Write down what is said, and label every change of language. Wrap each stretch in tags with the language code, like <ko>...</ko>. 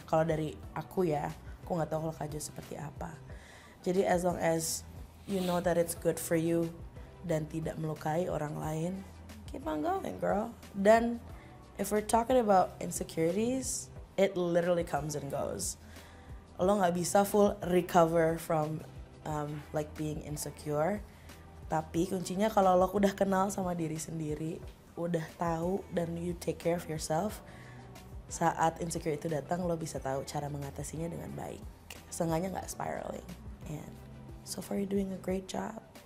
<id>Kalau dari aku ya, aku enggak tahu kalau Kak Jo seperti apa. Jadi</id> <en>as long as you know that it's good for you</en> <id>dan tidak melukai orang lain,</id> <en>keep on going, girl. Then, if we're talking about insecurities, it literally comes and goes.</en> <id>Lo gak bisa</id> <en>full recover from like being insecure.</en> <id>Tapi kuncinya kalau lo udah kenal sama diri sendiri, udah tahu dan</id> <en>you take care of yourself,</en> <id>saat insecure itu datang, lo bisa tahu cara mengatasinya dengan baik. Seenggaknya gak spiraling.</id> <en>And so far you're doing a great job.</en>